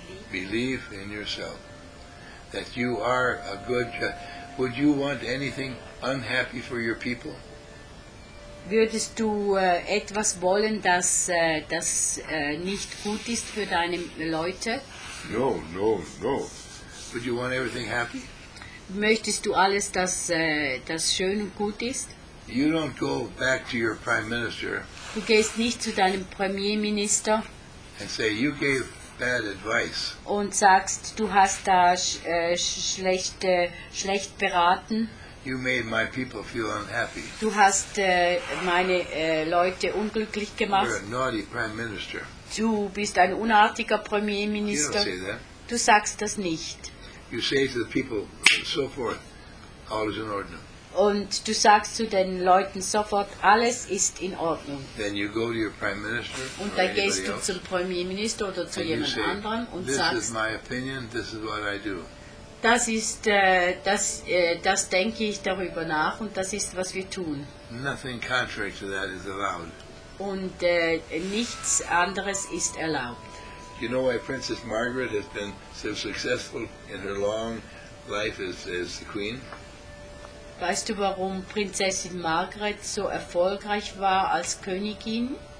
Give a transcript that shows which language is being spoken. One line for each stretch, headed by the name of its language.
English: belief in yourself, that you are a good judge. Would you want anything unhappy for your people?
German: Würdest du etwas wollen, das nicht gut ist für deine Leute?
English: No, no, no. Would you want everything happy?
German: Möchtest du alles, das das schön und gut ist?
English: You don't go back to your prime minister.
German: Du gehst nicht zu deinem Premierminister.
English: And say you gave bad advice.
German: Und sagst, du hast da schlecht beraten.
English: You made my people feel unhappy.
German: Du hast meine Leute unglücklich gemacht.
English: You're a naughty prime minister.
German: Du bist ein unartiger Premierminister.
English: You don't say that.
German: Du sagst das nicht.
English: You say to the people, so forth, all is in order.
German: Und du sagst zu den Leuten sofort, alles ist in Ordnung.
English: Then you go to your prime minister.
German: Und dann gehst du zum Premierminister oder zu jemand anderem und sagst,
English: this is my opinion, this is what I do.
German: Das ist, das denke ich darüber nach und das ist, was wir tun.
English: Nothing contrary to that is allowed.
German: Und nichts anderes ist erlaubt.
English: Do you know why Princess Margaret has been so successful in her long life as the queen?
German: Weißt du, warum Prinzessin Margaret so erfolgreich war als Königin?